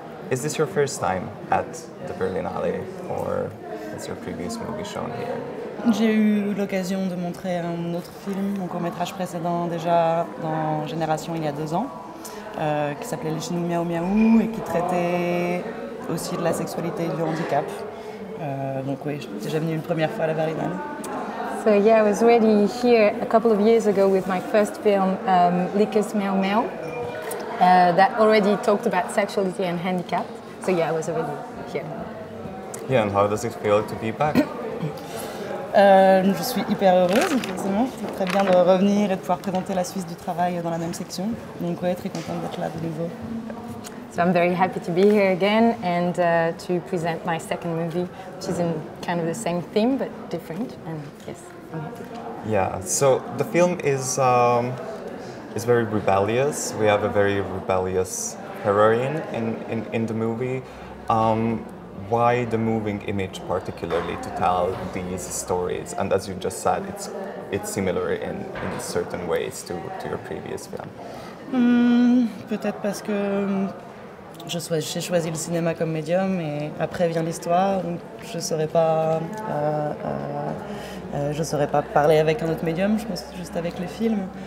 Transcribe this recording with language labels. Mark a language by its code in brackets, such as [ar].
[en] Is this your first time at the Berlinale, or is your previous movie shown here? [fr] J'ai eu l'occasion de montrer un autre film, mon court-métrage précédent, déjà dans Génération il y a 2 ans, qui s'appelait Les Chinois Miaou Miaou et qui traitait aussi de la sexualité et du handicap. Donc oui, j'ai déjà venu une première fois à la Berlinale. [en] So yeah, I was already here a couple of years ago with my first film, Likas Meow Meow, that already talked about sexuality and handicap. So yeah, I was already here. Yeah, and how does it feel to be back? [fr] Je suis hyper heureuse, forcément. C'est très bien de revenir et de pouvoir présenter la Suisse du travail dans la même section. Donc ouais, très contente d'être là de nouveau. [en] So I'm very happy to be here again and to present my second movie, which is in kind of the same theme but different. And yes, I'm happy. Yeah. So the film is very rebellious. We have a very rebellious heroine in the movie. Why the moving image particularly to tell these stories? And as you just said, it's similar in certain ways to your previous film. [fr] Peut-être parce que j'ai choisi le cinéma comme médium et après vient l'histoire, donc je ne saurais pas parler avec un autre médium, je pense juste avec les films.